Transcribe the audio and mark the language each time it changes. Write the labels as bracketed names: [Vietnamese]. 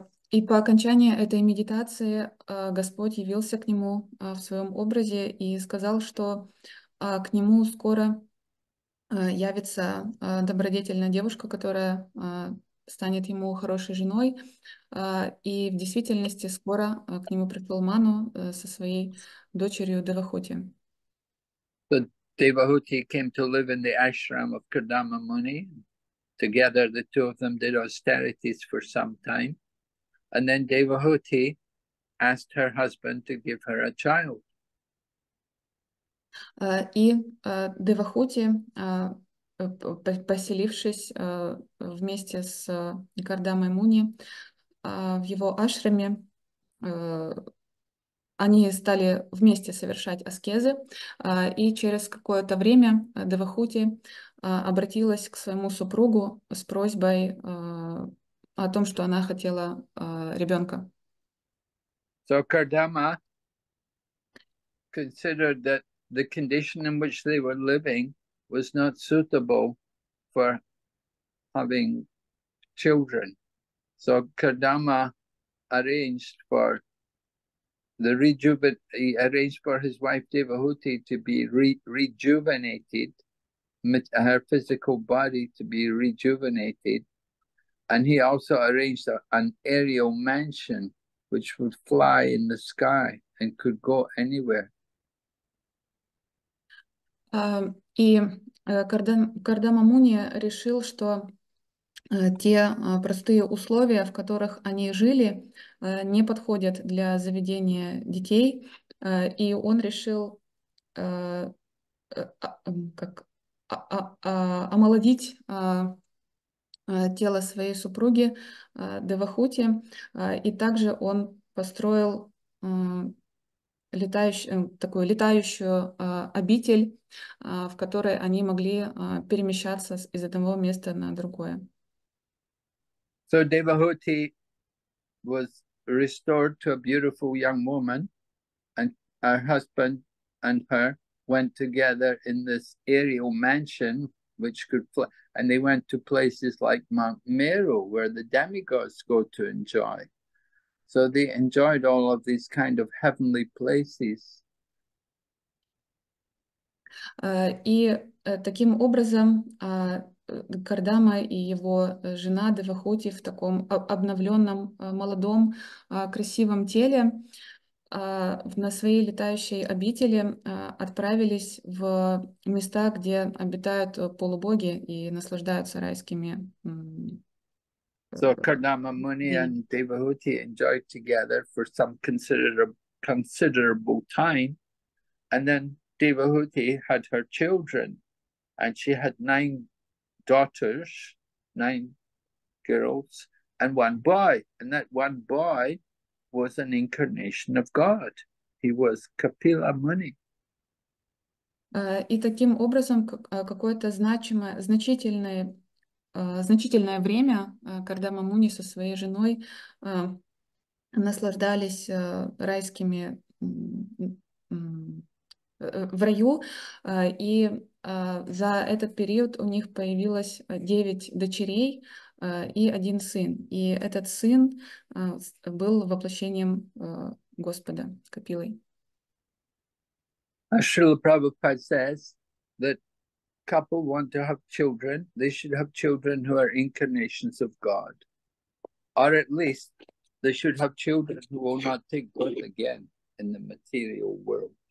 [Russian] И по окончании этой медитации Господь явился к нему в своем образе и сказал, что к нему скоро явится добродетельная девушка, которая станет ему хорошей женой. И в действительности скоро к нему пришел Ману со своей дочерью Девахути. [English] Devahuti came to live in the ashram of Kardama Muni. Together, the two of them did austerities for some time. And then Devahuti asked her husband to give her a child. [Russian] И Девахути, поселившись вместе с Кардамой Муни в его ашраме, они стали вместе совершать аскезы, и через какое-то время Девахути обратилась к своему супругу с просьбой о том, что она хотела ребенка. [English] So Kardama considered that the condition in which they were living was not suitable for having children. So Kardama arranged for the rejuvenation, he arranged for his wife Devahuti to be rejuvenated, her physical body to be rejuvenated, and he also arranged an aerial mansion which would fly in the sky and could go anywhere. [Russian] И Кардама Муни решил, что те простые условия, в которых они жили, не подходят для заведения детей, и он решил омолодить тело своей супруги Девахути, и также он построил летающую обитель, в которой они могли перемещаться из одного места на другое. [English] So Devahuti was restored to a beautiful young woman, and her husband and her went together in this aerial mansion, which could fly, and they went to places like Mount Meru, where the demigods go to enjoy. So they enjoyed all of these kind of heavenly places. [Russian] И таким образом Кардама и его жена Девахути в таком обновленном, молодом, красивом теле на своей летающей обители отправились в места, где обитают полубоги и наслаждаются райскими. [English] So Kardama Muni and Devahuti enjoyed together for some considerable time. And then Devahuti had her children, and she had 9 daughters, 9 girls, and 1 boy. And that 1 boy was an incarnation of God. He was Kapila Muni. [Russian] И таким образом какое-то значительное время Кардама Муни со своей женой наслаждались райскими в раю, и за этот период у них появилось 9 дочерей и 1 сын. И этот сын был воплощением Господа Капилой. [English] Srila Prabhupada says that couple want to have children, they should have children who are incarnations of God. Or at least they should have children who will not take birth again in the material world.